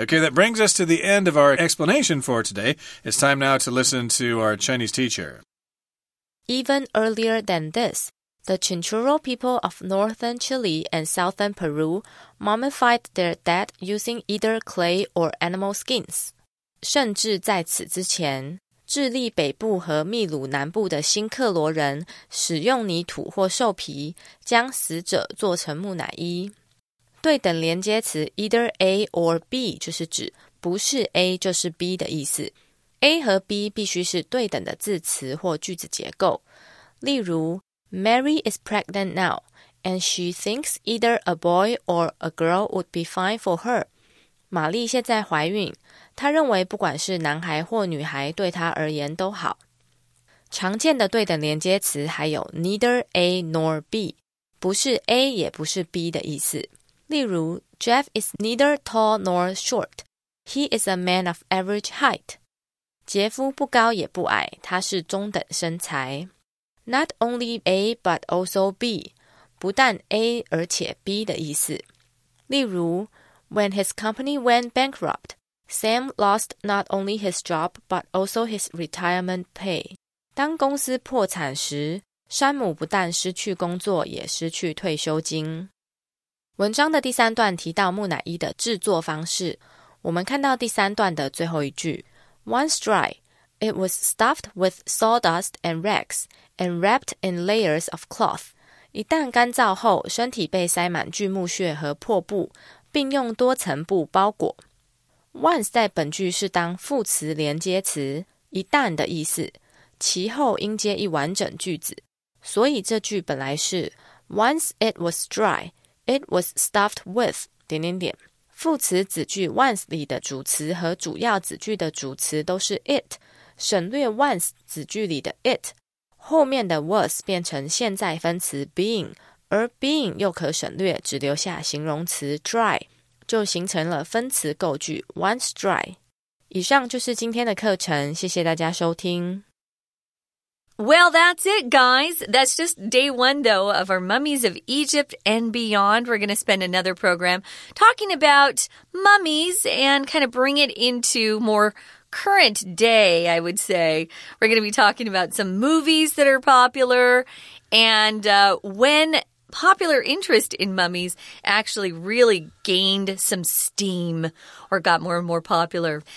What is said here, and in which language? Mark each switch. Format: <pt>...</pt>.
<en>Okay, that brings us to the end of our explanation for today. It's time now to listen to our Chinese teacher. Even earlier than this, the Chinchurro people of northern Chile and southern Peru mummified their dead using either clay or animal skins.</en> <zh>甚至在此之前，智利北部和秘鲁南部的新克罗人使用泥土或兽皮将死者做成木乃伊。对等连接词</zh> <en>either A or B</en> <zh>就是指不是 A 就是 B 的意思。 A 和 B 必须是对等的字词或句子结构。例如</zh> <en>,Mary is pregnant now, and she thinks either a boy or a girl would be fine for her.</en> <zh>玛丽现在怀孕，她认为不管是男孩或女孩对她而言都好。常见的对等连接词还有</zh> <en>neither A nor B,</en> <zh>不是 A 也不是 B 的意思。例如</zh> <en>,Jeff is neither tall nor short. He is a man of average height.</en> <zh>杰夫不高也不矮，他是中等身材。</zh> <en>Not only A, but also B.</en> <zh>不但 A, 而且 B 的意思。例如</zh> <en>,When his company went bankrupt, Sam lost not only his job, but also his retirement pay.</en> <zh>当公司破产时，山姆不但失去工作，也失去退休金。文章的第三段提到木乃伊的制作方式，我们看到第三段的最后一句。</zh> <en>Once dry, it was stuffed with sawdust and rags, and wrapped in layers of cloth.</en> <zh>一旦干燥后，身体被塞满锯木屑和破布，并用多层布包裹。 Once 在本句是当副词连接词，一旦的意思，其后应接一完整句子。所以这句本来是</zh> <en>Once it was dry, it was stuffed with...</en> <zh>点点点。副词子句 once 里的主词和主要子句的主词都是 it, 省略 once 子句里的 it, 后面的 was 变成现在分词 being, 而 being 又可省略只留下形容词 dry, 就形成了分词构句</zh> <en>once dry。</en> <zh>以上就是今天的课程，谢谢大家收听。</zh> <en>Well, that's it, guys. That's just day one, though, of our Mummies of Egypt and Beyond. We're going to spend another program talking about mummies and kind of bring it into more current day, I would say. We're going to be talking about some movies that are popular and when popular interest in mummies actually really gained some steam or got more and more popular.</en>